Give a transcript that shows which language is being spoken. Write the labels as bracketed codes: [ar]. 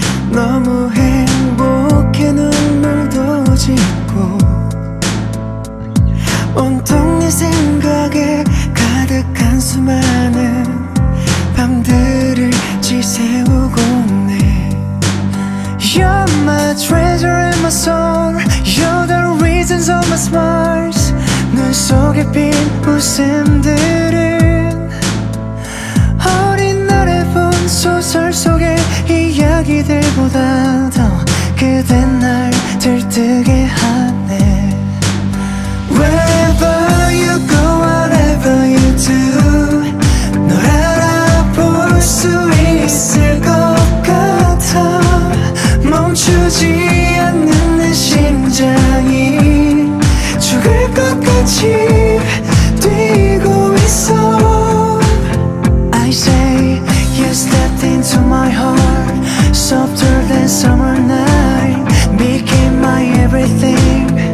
[ko] 너무 행복해 눈물도 짓고 온통 네 생각에 가득한 수많은 밤들을 지새우고 있네. [en] You're my treasure and my soul. You're the reasons of my smiles. 눈 속에 빈 웃음들은 어린 날의 본 소설 속의 이야기들보다 더 그댄 날 들뜨게 하네. Wherever you go, whatever you do, [ko] 널 알아볼 수 있을 것 같아. 멈추지 않는 내 심장이 죽을 것 같이 뛰고 있어. [en] I say you stepped into my heart, softer than summer night, became my everything.